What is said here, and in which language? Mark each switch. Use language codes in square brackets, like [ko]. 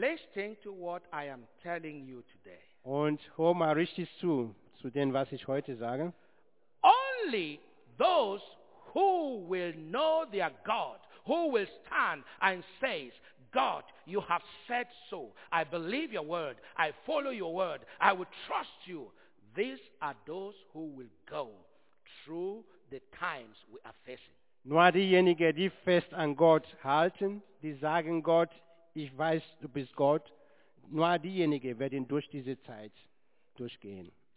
[en] Listen to what I am telling you today. [de] Und hör mal richtig zu dem, was ich heute sage. [en] Only those who will know their God, who will stand and say, God, you have said so. I believe your word. I follow your word. I will trust you. These are those who will go through the times we are facing. [de] Nur diejenigen, die fest an Gott halten, die sagen Gott, ich weiß, du bist Gott, nur diejenigen werden durch diese Zeit durchgehen.